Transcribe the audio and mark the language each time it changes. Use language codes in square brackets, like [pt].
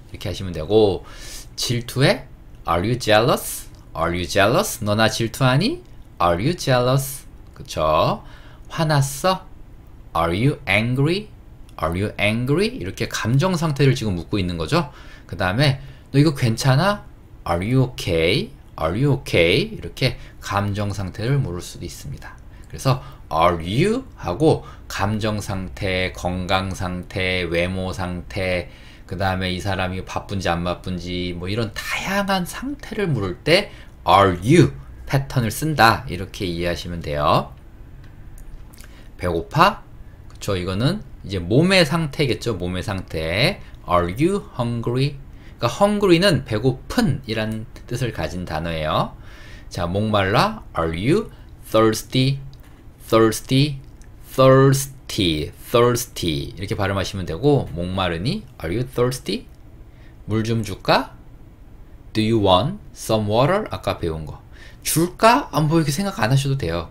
[ko] 이렇게 하시면 되고, 질투해? [en] Are you jealous? Are you jealous? [ko] 너나 질투하니? [en] Are you jealous? [ko] 그쵸? 화났어? [en] Are you angry? Are you angry? [ko] 이렇게 감정 상태를 지금 묻고 있는 거죠. 그 다음에 너 이거 괜찮아? [en] Are you okay? Are you okay? [ko] 이렇게 감정 상태를 물을 수도 있습니다. [en] 그래서 Are you? [ko] 하고 감정 상태, 건강 상태, 외모 상태, 그 다음에 이 사람이 바쁜지 안 바쁜지 뭐 이런 다양한 상태를 물을 때 [en] Are you? [ko] 패턴을 쓴다. 이렇게 이해하시면 돼요. 배고파? 그쵸? 이거는 이제 몸의 상태겠죠? 몸의 상태. [en] Are you hungry? [ko] 그러니까 hungry는 배고픈이라는 뜻을 가진 단어예요. 자, 목말라. [en] Are you thirsty? Thirsty, thirsty, thirsty. [ko] 이렇게 발음하시면 되고, 목마르니? [en] Are you thirsty? [ko] 물좀 줄까? [en] Do you want some water? [ko] 아까 배운 거. 줄까? 아, 뭐 이렇게 생각 안 하셔도 돼요.